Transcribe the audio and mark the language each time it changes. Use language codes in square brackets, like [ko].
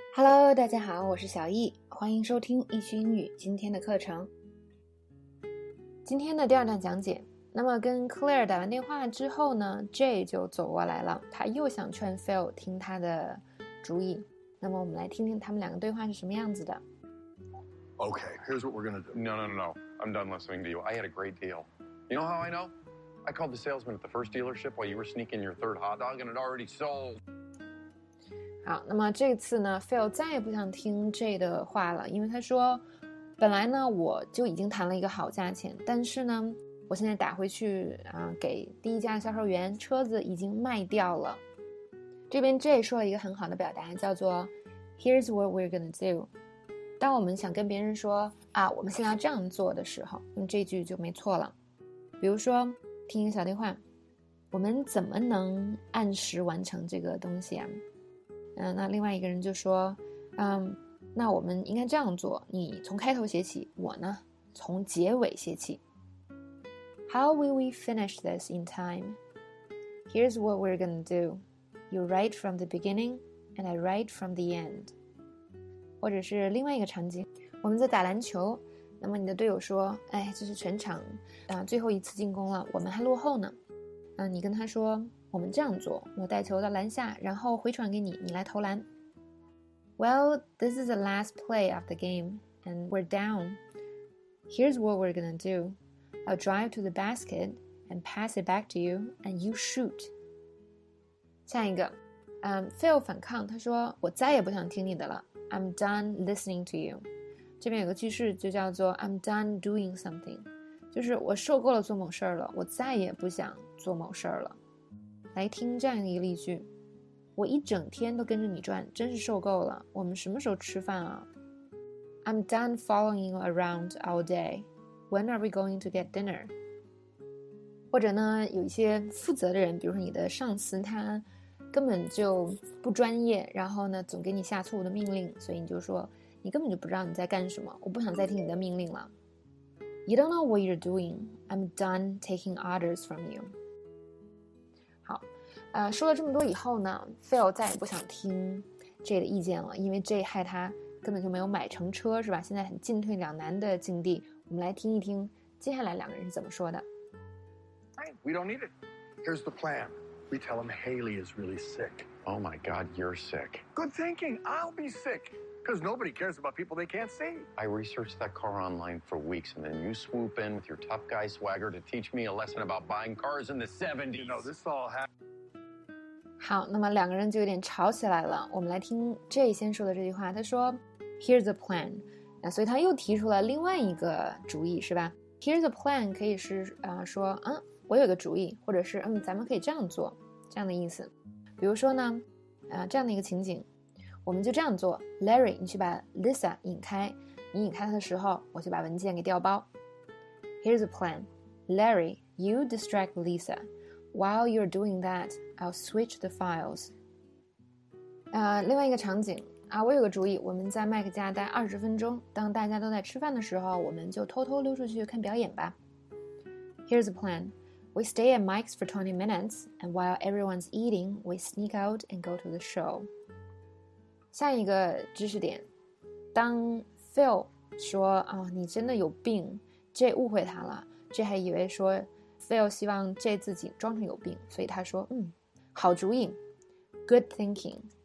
[zh] Hello， 大家好，我是小易，欢迎收听易趣英语今天的课程。今天的第二段讲解，那么跟 Claire 打完电话之后呢 ，Jay 就走过来了，他又想劝 Phil 听他的主意。那么我们来听听他们两个对话是什么样子的。 [en] Okay, here's what we're gonna do. No. I'm done listening to you. I had a great deal. You know how I know? I called the salesman at the first dealership while you were sneaking your third hot dog, and it already sold. [zh] 好，那么这次呢 ，Phil 再也不想听 Jay 的话了，因为他说，本来呢我就已经谈了一个好价钱，但是呢，我现在打回去啊，给第一家销售员，车子已经卖掉了。这边 Jay 说了一个很好的表达，叫做 [en] "Here's what we're gonna do"。 [zh] 当我们想跟别人说啊，我们现在要这样做的时候，用这句就没错了。比如说，听一个小对话，我们怎么能按时完成这个东西啊？那另外一个人就说，那我们应该这样做，你从开头写起，我呢，从结尾写起。 [en] How will we finish this in time? Here's what we're gonna do. You write from the beginning, and I write from the end. [zh] 或者是另外一个场景，我们在打篮球，那么你的队友说，哎，这是全场，最后一次进攻了，我们还落后呢。你跟他说，我们这样做，我带球到篮下，然后回传给你，你来投篮。 [en] Well, this is the last play of the game, and we're down. Here's what we're gonna do. I'll drive to the basket and pass it back to you, and you shoot. [zh] 下一个，Phil 反抗，他说，我再也不想听你的了。 [en] I'm done listening to you. [zh] 这边有个句式就叫做 [en] I'm done doing something. [zh] 就是我受够了做某事了，我再也不想做某事了。来听这样一个例句，我一整天都跟着你转，真是受够了。我们什么时候吃饭啊 [en] ？I'm done following you around all day. When are we going to get dinner? [zh] 或者呢，有一些负责的人，比如说你的上司，他根本就不专业，然后呢，总给你下错误的命令，所以你就说，你根本就不知道你在干什么，我不想再听你的命令了。 [en] You don't know what you're doing. I'm done taking orders from you. [zh] 说了这么多以后呢 ，Phil 再也不想听 Jay 的意见了，因为 Jay 害他根本就没有买成车，是吧？现在很进退两难的境地。我们来听一听接下来两个人是怎么说的。 [en] We don't need it. Here's the plan. We tell him Haley is really sick. Oh my God, you're sick. Good thinking. I'll be sick. Because nobody cares about people they can't see. I researched that car online for weeks, and then you swoop in with your tough guy swagger to teach me a lesson about buying cars in the 70s. You know, this all happened. [zh] 好，那么两个人就有点吵起来了。我们来听 Jay 先说的这句话，他说 ， [en] Here's a plan。 [zh] 那所以他又提出了另外一个主意，是吧 ？ [en] Here's a plan [zh] 可以是说，我有个主意，或者是咱们可以这样做，这样的意思。比如说呢，这样的一个情景，我们就这样做 ，Larry， 你去把 Lisa 引开，你引开他的时候，我去把文件给调包。 [en] Here's a plan， Larry， you distract Lisa。 While you're doing that, I'll switch the files. [zh] 另外一个场景啊，我有个主意，我们在麦克家待20分钟，当大家都在吃饭的时候，我们就偷偷溜出去看表演吧。 [en] Here's a plan. We stay at Mike's for 20 minutes, and while everyone's eating, we sneak out and go to the show. [zh] 下一个知识点，当 Phil 说啊，你真的有病 ，Jay 误会他了 ，Jay 还以为说。 Phil 希望 Jay 自己装成有病，所以他说，好主意 ， [en] good thinking。